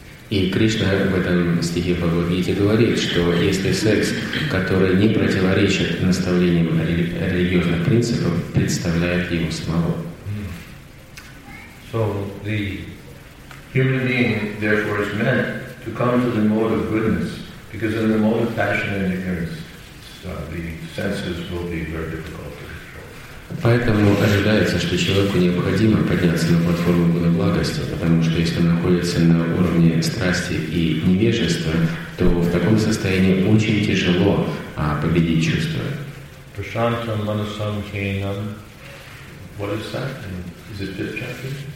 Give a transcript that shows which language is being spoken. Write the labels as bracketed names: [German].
[Russian] И Кришна в этом стихе Бхагавад-гиты говорит, что если секс, который не противоречит наставлениям религиозных принципов, представляет его самого. [English] So the human being therefore is meant to come to the mode of goodness, because in the mode of passion and ignorance, the senses will be very difficult to control. [Russian] Поэтому ожидается, что человеку необходимо подняться на платформу благости, потому что если он находится на уровне страсти и невежества, то в таком состоянии очень тяжело победить чувства. [Sanskrit] Прашантам манасам хейнам. [English] What is that? Is it fifth chapter?